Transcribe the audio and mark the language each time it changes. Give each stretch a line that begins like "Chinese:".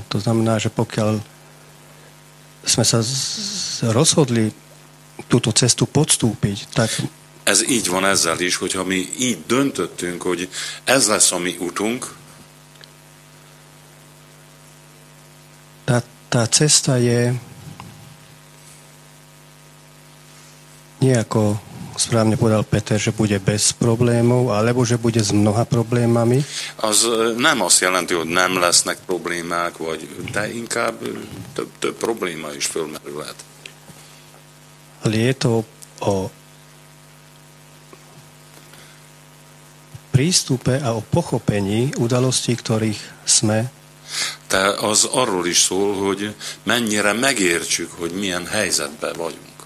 Slovak: To znamená, že pokiaľ sme sa rozhodli túto cestu podstúpiť, tak...
Hungarian: Ez így van ezzel is, hogyha mi így döntöttünk, hogy ez lesz a mi útunk,
Slovak: tá cesta je nejako, správne povedal Peter, že bude bez problémov, alebo že bude s mnoha problémami.
Hungarian: Az nem azt jelenti, hogy nem lesznek problémák, vagy, de inkább több probléma is fölmerülhet.
Slovak: Ale je to o prístupe a o pochopení udalostí, ktorých sme.
Hungarian: De az arról is szól, hogy mennyire megértsük, hogy milyen helyzetben vagyunk.